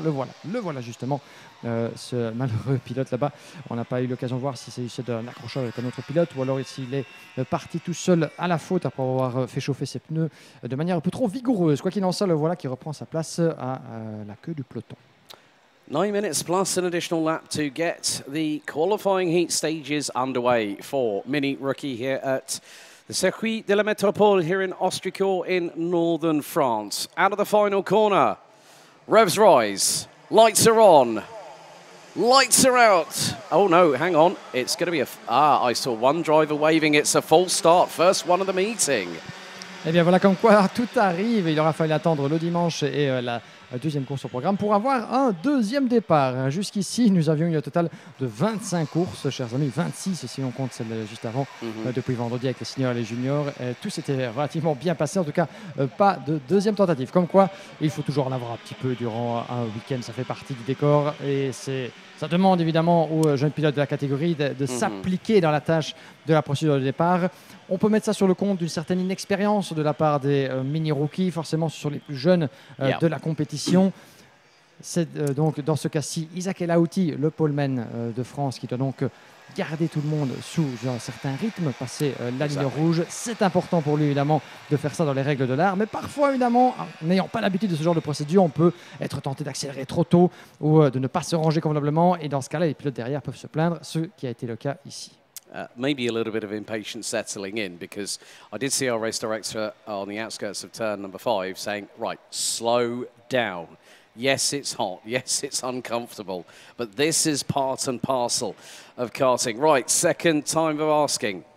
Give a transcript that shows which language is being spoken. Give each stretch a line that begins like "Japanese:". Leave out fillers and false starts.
French: Le voilà justement, ce malheureux pilote là-bas. On n'a pas eu l'occasion de voir si c'est un accrocheur avec un autre pilote, ou alors s'il est parti tout seul à la faute après avoir fait chauffer ses pneus de manière un peu trop vigoureuse. Quoi qu'il en soit, le voilà qui reprend sa place à la queue du peloton.
English: 9 minutes plus an additional lap to get the qualifying heat stages underway for mini rookie here at the Circuit de la Métropole here in Austricourt in northern France. Out of the final corner, revs rise, lights are on, lights are out. Oh no, hang on, it's going to be I saw one driver waving, it's a false start, first one of the meeting.
French: Eh bien voilà comme quoi tout arrive, il aura fallu attendre le dimanche et la deuxième course au programme pour avoir un deuxième départ. Jusqu'ici, nous avions eu un total de 25 courses, chers amis, 26 si on compte celle juste avant, depuis vendredi avec les seniors et les juniors. Et tout s'était relativement bien passé, en tout cas, pas de deuxième tentative. Comme quoi, il faut toujours en avoir un petit peu durant un week-end, ça fait partie du décor et ça demande évidemment aux jeunes pilotes de la catégorie de s'appliquer dans la tâche de la procédure de départ. On peut mettre ça sur le compte d'une certaine inexpérience de la part des mini-rookies, forcément ce sont les plus jeunes de la compétition. C'est donc dans ce cas-ci Isaac El Haouti, le poleman de France, qui doit donc garder tout le monde sous un certain rythme, passer la ligne rouge. C'est important pour lui évidemment de faire ça dans les règles de l'art, mais parfois évidemment, n'ayant pas l'habitude de ce genre de procédure, on peut être tenté d'accélérer trop tôt ou de ne pas se ranger convenablement, et dans ce cas-là, les pilotes derrière peuvent se plaindre, ce qui a été le cas ici.
English: Maybe a little bit of impatience settling in, because I did see our race director on the outskirts of turn number five saying, right, slow down. Yes, it's hot. Yes, it's uncomfortable. But this is part and parcel of karting. Right, second time of asking.